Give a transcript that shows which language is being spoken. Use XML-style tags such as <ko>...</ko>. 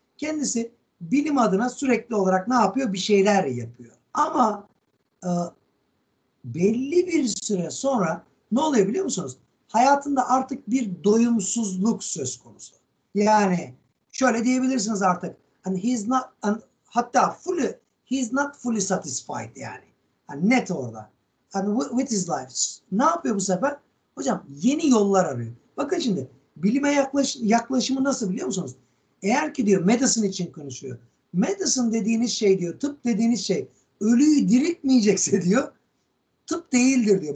<tr>Kendisi bilim adına sürekli olarak ne yapıyor? Bir şeyler yapıyor. Ama belli bir süre sonra ne oluyor biliyor musunuz? Hayatında artık bir doyumsuzluk söz konusu. Yani şöyle diyebilirsiniz artık. Hani</tr> <en>he's not</en> <tr>hatta</tr> <en>fully he's not fully satisfied</en> <tr>yani. Hani net orada. Hani</tr> <en>with his life.</en> <tr>Ne yapıyor bu sefer? Hocam yeni yollar arıyor. Bakın şimdi bilime yaklaşımı nasıl biliyor musunuz? Eğer ki diyor medicine için konuşuyor. Medicine dediğiniz şey diyor, tıp dediğiniz şey ölüyü diriltmeyecekse diyor, tıp değildir diyor.</tr>